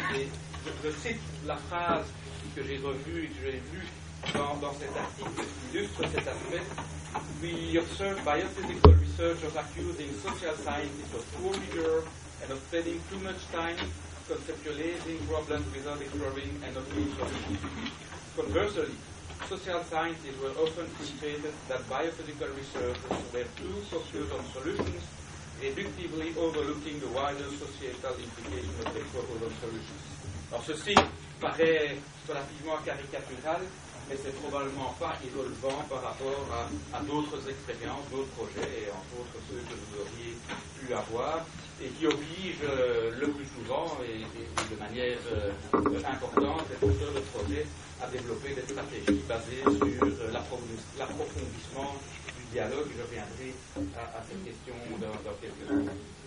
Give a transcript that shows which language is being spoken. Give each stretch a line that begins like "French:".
French: Et je cite la phrase que j'ai revue et que j'ai vue dans cet article qui illustre cet aspect.
English: We observe bioethical researchers accusing social scientists of poor leader and of spending too much time conceptualizing problems without exploring and obtaining solutions. Conversely, social scientists were often frustrated that bioethical researchers were too focused on solutions, reductively overlooking the wider societal implications of the proposed solutions.
French: Alors ceci paraît relativement caricatural, mais c'est probablement pas évoluant par rapport à d'autres expériences, d'autres projets, et entre autres ceux que vous auriez pu avoir, et qui obligent le plus souvent et de manière importante les porteurs de projets à développer des stratégies basées sur l'approfondissement dialogue, je reviendrai à cette question dans quelques minutes.